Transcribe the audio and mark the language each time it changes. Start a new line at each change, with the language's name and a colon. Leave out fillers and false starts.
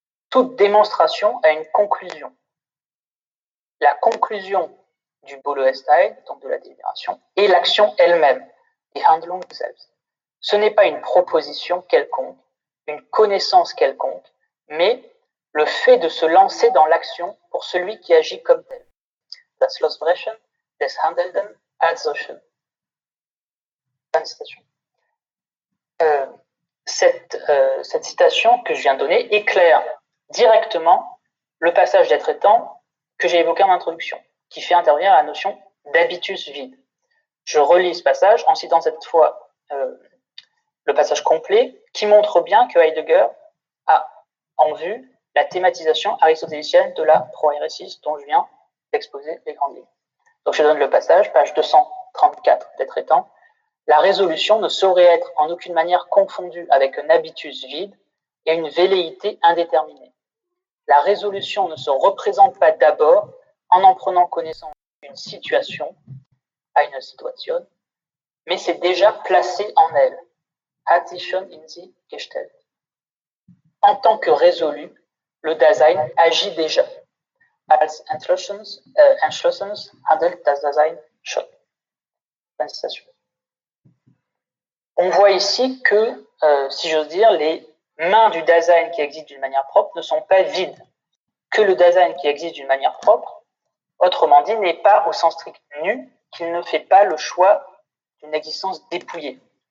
French: Toute démonstration a une conclusion. La conclusion du bouleuestai, donc de la délibération, est l'action elle-même,
German: die Handlung selbst.
French: Ce n'est pas une proposition quelconque, une connaissance quelconque, mais le fait de se lancer dans l'action pour celui qui agit comme tel.
German: Das Losbrechen des Handelnden als solchen.
French: Fin de citation. Cette citation que je viens de donner éclaire directement le passage d'être étant que j'ai évoqué en introduction, qui fait intervenir la notion d'habitus vide. Je relis ce passage en citant cette fois le passage complet, qui montre bien que Heidegger a en vue la thématisation aristotélicienne de la proairesis dont je viens d'exposer les grandes lignes. Donc je donne le passage, page 234 d'être étant. La résolution ne saurait être en aucune manière confondue avec un habitus vide et une velléité indéterminée. La résolution ne se représente pas d'abord en prenant connaissance d'une situation, à une situation, mais c'est déjà placé en elle.
German: Hat sich schon in sie gestellt.
French: En tant que résolu, le Dasein agit déjà.
German: Als entschlossen handelt das Dasein schon.
French: Fin de citation. On voit ici que, si j'ose dire, les mains du Dasein qui existent d'une manière propre ne sont pas vides. que le Dasein qui existe d'une manière propre, autrement dit, n'est pas au sens strict nu, qu'il ne fait pas le choix d'une existence dépouillée.